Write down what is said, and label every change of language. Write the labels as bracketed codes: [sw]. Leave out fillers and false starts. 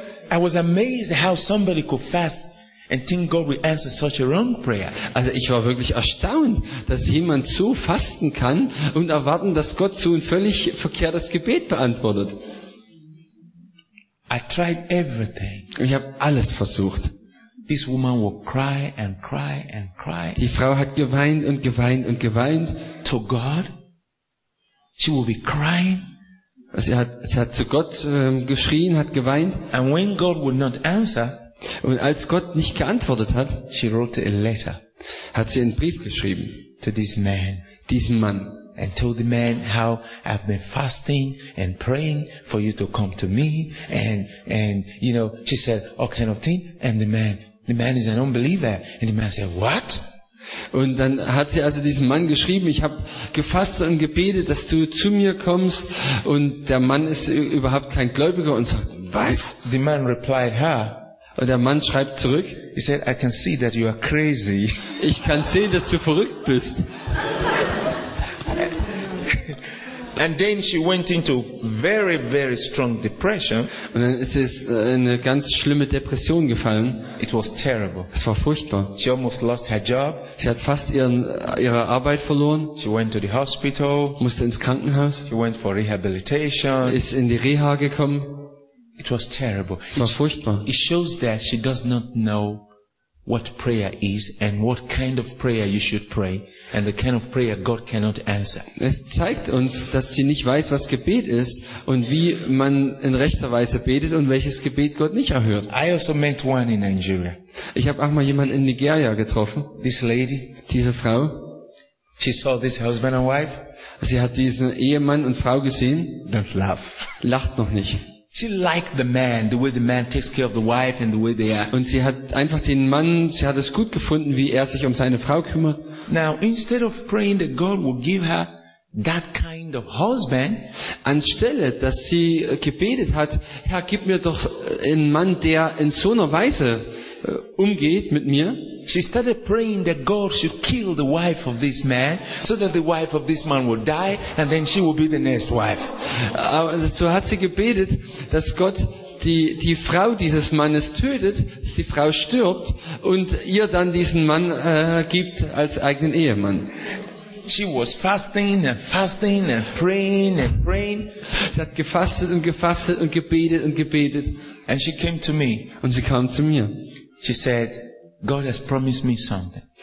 [en] I was amazed how somebody could fast and think God will answer such a wrong prayer. [de] Also ich war wirklich erstaunt, dass jemand so fasten kann und erwarten, dass Gott so ein völlig verkehrtes Gebet beantwortet. [en] I tried everything. [de] Ich habe alles versucht. [en] This woman will cry and cry and cry. [de] Die Frau hat geweint und geweint und geweint. [en] To God, she will be crying. [de] Sie hat zu Gott geschrien, hat geweint. [en] And when God would not answer, [de] und als Gott nicht geantwortet hat, [en] she wrote a letter. [de] Hat sie einen Brief geschrieben. [en] to this man, [de] diesem Mann, [en] and told the man how I've been fasting and praying for you to come to me, and you know, she said all kind of thing, and the man is an unbeliever, and the man said, what? [de] Und dann hat sie also diesem Mann geschrieben, ich habe gefasst und gebetet, dass du zu mir kommst, und der Mann ist überhaupt kein Gläubiger und sagt, was? [en] The man replied her. [de] Und der Mann schreibt zurück. [en] He said, I can see that you are crazy. [de] Ich kann sehen, dass du verrückt bist. [en] And then she went into very, very strong depression. [de] Und dann ist sie in eine ganz schlimme Depression gefallen. [en] It was terrible. [de] Es war furchtbar. [en] She almost lost her job. [de] Sie hat fast ihre Arbeit verloren. [en] She went to the hospital. [de] Musste ins Krankenhaus. [en] She went for rehabilitation. [de] Ist in die Reha gekommen. [en] It was terrible. [de] Es war furchtbar. [en] It shows that she does not know what prayer is and what kind of prayer you should pray and the kind of prayer God cannot answer. [de] Es zeigt uns, dass sie nicht weiß, was Gebet ist und wie man in rechter Weise betet und welches Gebet Gott nicht erhört. [en] I also met one in Nigeria. [de] Ich habe auch mal jemanden in Nigeria getroffen. [en] This lady. [de] Diese Frau. [en] She saw this husband and wife. [de] Sie hat diesen Ehemann und Frau gesehen. [en] Don't laugh. [de] Lacht noch nicht. [en] She liked the man, the way the man takes care of the wife and the way they are. [de] Und sie hat einfach den Mann, sie hat es gut gefunden, wie sich um seine Frau kümmert. [en] Now, instead of praying that God will give her that kind of husband, [de] anstelle dass sie gebetet hat, Herr, gib mir doch einen Mann, der in so einer Weise umgeht mit mir. [en] She started praying that God should kill the wife of this man, so that the wife of this man would die, and then she would be the next wife. [de] So hat sie gebetet, dass Gott die Frau dieses Mannes tötet, dass die Frau stirbt und ihr dann diesen Mann gibt als eigenen Ehemann. [en] She was fasting and fasting and praying and praying. [de] Sie hat gefastet und gefastet und gebetet und gebetet. [en] And she came to me. [de] Und sie kam zu mir. [en] She said, God has promised me something.